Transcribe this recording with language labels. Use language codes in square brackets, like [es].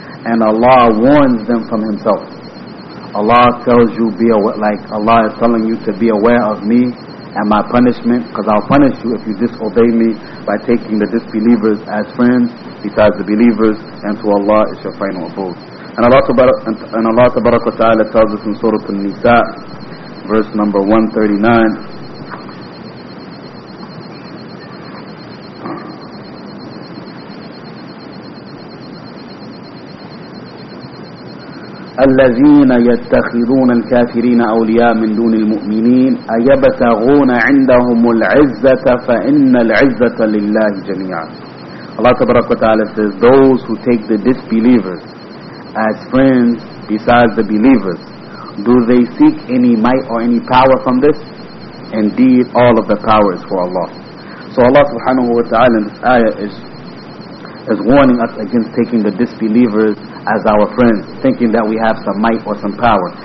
[en] And Allah warns them from himself. Allah tells you, be aware, like Allah is telling you to be aware of me and my punishment, because I'll punish you if you disobey me by taking the disbelievers as friends besides the believers, and to Allah is your final abode. And Allah tabarak wa ta'ala tells us in Surah An-Nisa verse number 139, [ar] الذين يتخذون الكافرين أولياء من دون المؤمنين أيبتغون عندهم العزة فإن العزة لله جميعا. [en] Allah [ar] تبارك وتعالى [en] says, those who take the disbelievers as friends besides the believers, do they seek any might or any power from this? Indeed, all of the power is for Allah. So Allah [ar] سبحانه وتعالى [en] in this ayah is warning us against taking the disbelievers as our friends, thinking that we have some might or some power.